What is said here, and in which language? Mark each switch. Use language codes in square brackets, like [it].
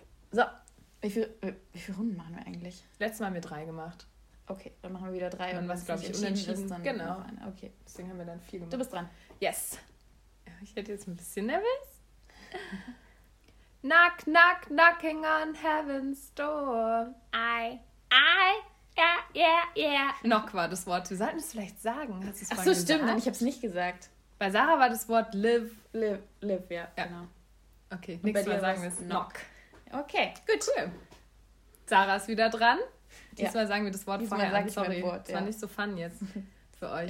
[de] So. Wie viele Runden machen wir eigentlich? Letztes Mal haben wir 3 gemacht. Okay, dann machen wir wieder 3. Und was, glaube ich, unentschieden ist, dann genau. Okay. Deswegen haben wir dann 4 gemacht. Du bist dran. [en] Yes. [de] Ich hätte jetzt ein bisschen nervös. [en] Knock, knock, knocking on heaven's door. I, yeah. [de] Knock war das Wort. Wir sollten es vielleicht sagen. Hast du es vorhin gesagt? Ach so, stimmt. Nein, ich habe es nicht gesagt. Bei Sarah war das Wort live. Live, ja, genau. Okay, nächstes Mal sagen wir es knock. Okay, gut. Cool. Sarah ist wieder dran. Diesmal sagen wir das Wort vorher. Sag ich mein Wort, das war nicht so fun jetzt für euch.